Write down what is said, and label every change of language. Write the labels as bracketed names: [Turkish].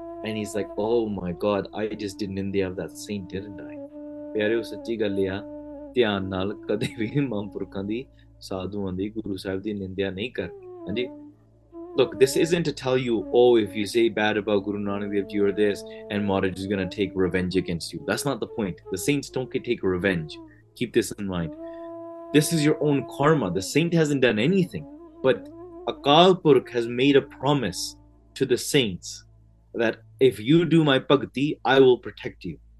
[English] And he's like, oh my God, I just did nindya of that saint, didn't I? [Punjabi] ਪਿਆਰੇ ਉਹ ਸੱਚੀ ਗੱਲ ਆ ਧਿਆਨ ਨਾਲ ਕਦੇ ਵੀ ਮਹਾਂਪੁਰਖਾਂ ਦੀ ਸਾਧੂਆਂ ਦੀ ਗੁਰੂ ਸਾਹਿਬ ਦੀ ਨਿੰਦਿਆ ਨਹੀਂ ਕਰ ਹਾਂਜੀ [English] look, this isn't to tell you, oh, if you say bad about Guru Nanak Dev Ji or this, and Maharaj is going to take revenge against you. That's not the point. The saints don't get take revenge. Keep this in mind. This is your own karma. The saint hasn't done anything. But Akal Purkh has made a promise to the saints that if you do my bhakti, I will protect you.